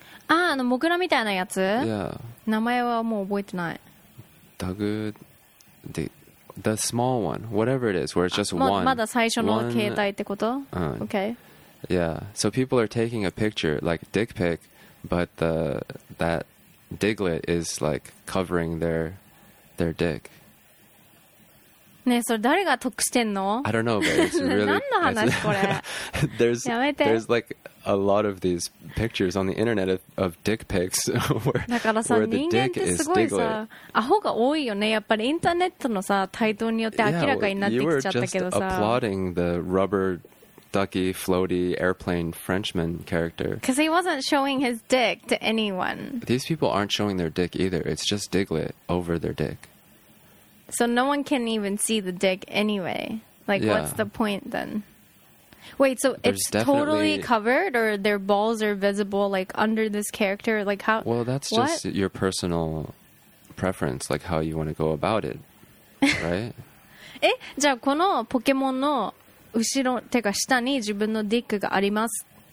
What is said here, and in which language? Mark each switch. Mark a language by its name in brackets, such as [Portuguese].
[Japanese] Ah, あのモグラみたいなやつ? [English] Yeah. [Japanese] 名前はもう覚えてない。 [English] Dug... The small one. Whatever it is, where it's just one. [Japanese] まだ最初の携帯ってこと? [English] Okay. Yeah. So people are taking a picture, like dick pic, but that Diglett is like covering their dick. [Japanese] ね、それ誰が得してんの? [English] I don't know, but it's really... [Japanese] 何の話これ? [English] There's, [Japanese] やめて。 [English] There's like a lot of these pictures on the internet of dick pics where, [Japanese] だからさ、 [English] where the dick is [Japanese] Diglett. だからさ、人間ってすごいさ、アホが多いよね。やっぱりインターネットのさ、台頭によって明らかになってきちゃったけどさ。 [English] You were just applauding the rubber ducky floaty airplane Frenchman character. Because he wasn't showing his dick to anyone. These people aren't showing their dick either. It's just Diglett over their dick. So no one can even see the dick anyway. Like, yeah. What's the point then? Wait, so there's it's totally covered or their balls are visible like under this character? Like how? Well, that's what? Just your personal preference, like how you want to go about it, right? [Japanese] え、じゃあこのポケモンの後ろ、てか下に自分のディックがあります。